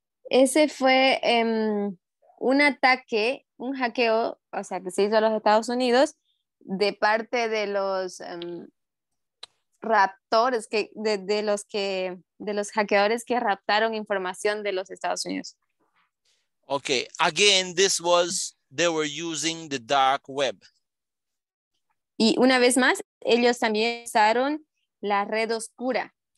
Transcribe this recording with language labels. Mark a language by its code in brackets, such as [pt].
[es] Ese fue un ataque, un hackeo, o sea, que se hizo a los Estados Unidos de parte de los raptores, que de los hackeadores que raptaron información de los Estados Unidos. [en] Okay, again, this was, they were using the dark web. [es] Y una vez más, ellos también usaron la red oscura.